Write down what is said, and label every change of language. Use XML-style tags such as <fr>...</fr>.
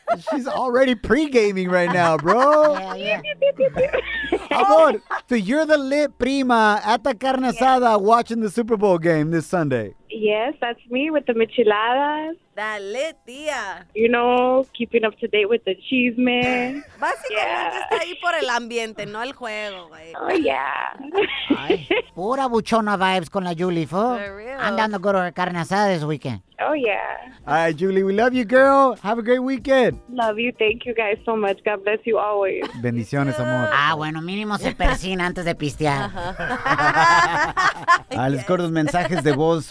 <en>She's already pre-gaming right now, bro. Yeah. Amor, so you're the lit prima at the carne asada watching the Super Bowl game this Sunday. Yes, that's me with the micheladas. That lit tía. You know, keeping up to date with the chisme.</en> <es>Básicamente está ahí por el ambiente, no el juego, güey.</es> <en>Oh, yeah.</en> <es>Ay, pura buchona vibes con la Julie, fo.</es> <en>For real. I'm down to go to her carne asada this weekend. Oh, yeah. All right, Julie, we love you, girl. Have a great weekend. Love you. Thank you guys so much. God bless you always.</en> <es>Bendiciones, amor. Ah, bueno, mínimo se persina antes de pistear.</es> <en>Uh-huh. Let's go to the</en> <es>mensajes de voz.</es>